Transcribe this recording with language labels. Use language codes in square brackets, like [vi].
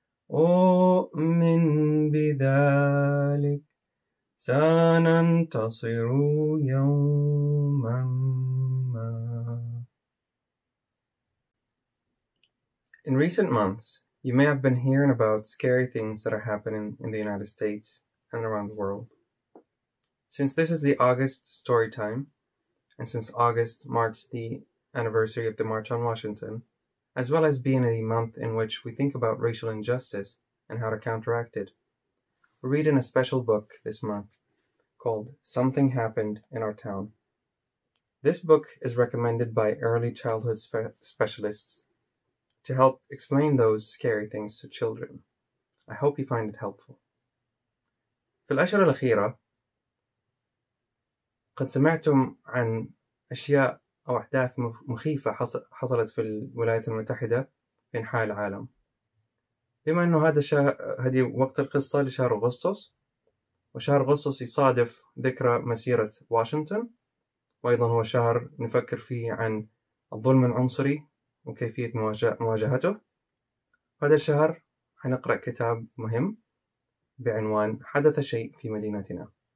[ar] أؤمن بذلك سننتصر يوما ما. [en] In recent months, you may have been hearing about scary things that are happening in the United States and around the world. Since this is the August story time, and since August marks the anniversary of the March on Washington, as well as being a month in which we think about racial injustice and how to counteract it, we're reading a special book this month called Something Happened in Our Town. This book is recommended by early childhood specialists to help explain those scary things to children. I hope you find it helpful. [ar] في الأشهر الأخيرة قد سمعتم عن أشياء أو أحداث مخيفة حصلت في الولايات المتحدة في أنحاء العالم. بما أنه هذه وقت القصة لشهر أغسطس, وشهر أغسطس يصادف ذكرى مسيرة واشنطن, وأيضا هو شهر نفكر فيه عن الظلم العنصري وكيفية مواجهته, هذا الشهر حنقرأ كتاب مهم بعنوان حدث شيء في مدينتنا.